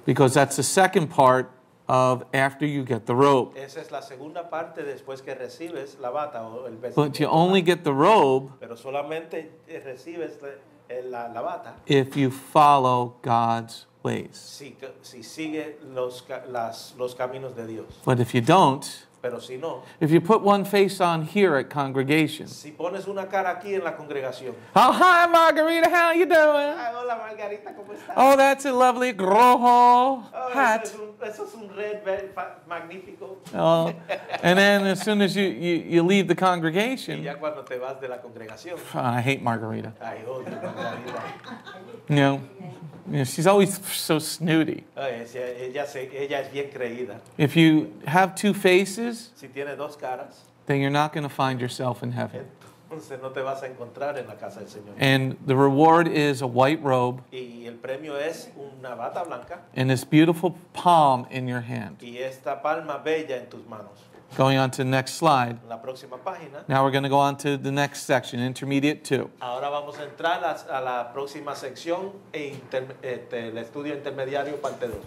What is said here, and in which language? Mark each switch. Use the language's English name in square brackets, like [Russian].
[English] Because that's the second part of after you get the robe. [Spanish] Esa es la segunda parte después que recibes la bata o el vestido. [English] But you only get the robe, [Spanish] pero solamente recibes la bata, [English] if you follow God's ways. [Spanish] Si sigue los caminos de Dios. [English] But if you don't, [Spanish] pero si no, [English] if you put one face on here at congregation, [Spanish] si pones una cara aquí en la congregación, [English] oh, hi, Margarita, how are you doing? [Spanish] Hola, Margarita, ¿cómo estás? [English] Oh, that's a lovely rojo hat. [Spanish] Eso es un [English] red very [Spanish] magnífico. [English] Oh, and then as soon as you leave the congregation, [Spanish] y ya cuando te vas de la congregación, [English] I hate Margarita. [Spanish] Ay, odio Margarita. [English] You know, she's always so snooty. [Spanish] Ella es bien creída. [English] If you have two faces, [Spanish] si tiene dos caras, [English] then you're not going to find yourself in heaven. [Spanish] Entonces no te vas a encontrar en la casa del Señor. [English] And the reward is a white robe. [Spanish] Y el premio es una bata blanca. [English] And this beautiful palm in your hand. [Spanish] Y esta palma bella en tus manos. [English] Going on to the next slide. [Spanish] La próxima página. [English] Now we're going to go on to the next section, Intermediate 2. [Spanish] Ahora vamos a entrar a la próxima sección, el estudio intermediario parte 2.